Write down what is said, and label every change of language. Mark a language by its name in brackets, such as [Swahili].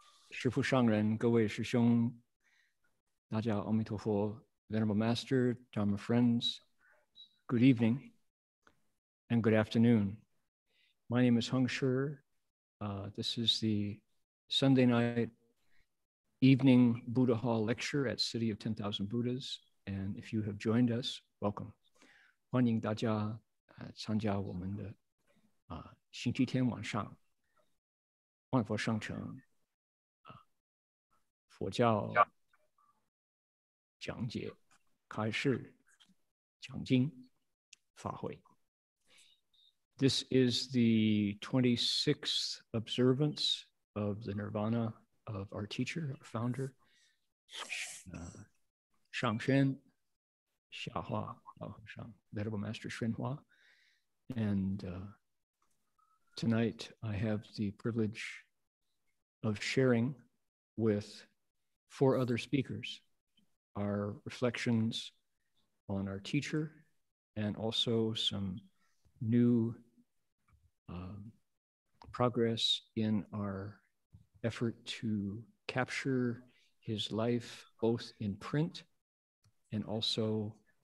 [Chinese] 师父上人，各位师兄，大家阿弥陀佛。 [English] Venerable Master, Dharma friends, good evening and good afternoon. My name is Hung Shur. This is the Sunday night evening Buddha Hall lecture at City of 10,000 Buddhas. And if you have joined us, welcome. [Chinese] 欢迎大家参加我们的星期天晚上万佛上乘佛教讲解开示讲经法会。 [English] This is the 26th observance of the Nirvana of our teacher, our founder, 上宣下化。 Venerable Master Xuan Hua. And tonight I have the privilege of sharing with four other speakers our reflections on our teacher and also some new progress in our effort to capture his life both in print and also.